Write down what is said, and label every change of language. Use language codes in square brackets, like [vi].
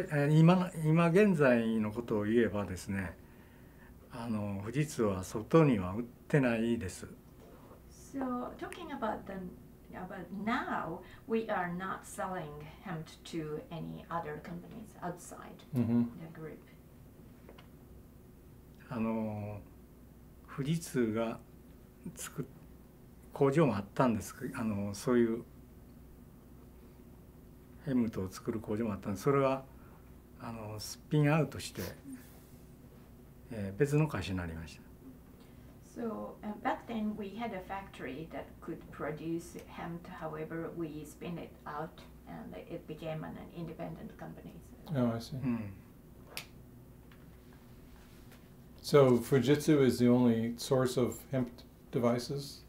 [ja] 今現在のことを言えばですね、あの富士通は外には売ってないです。 [en] So talking about the about now, we are not selling hemp to any other companies outside the group. [ja] あの富士通が作っ工場もあったんですけど、あのそういうヘムトを作る工場もあったんです。それはあのスピンアウトして、別の会社になりました。 [en] So back then we had a factory that could produce hemp. However, we spin it out and it became an independent company. Oh, I see. So Fujitsu is the only source of hemp devices.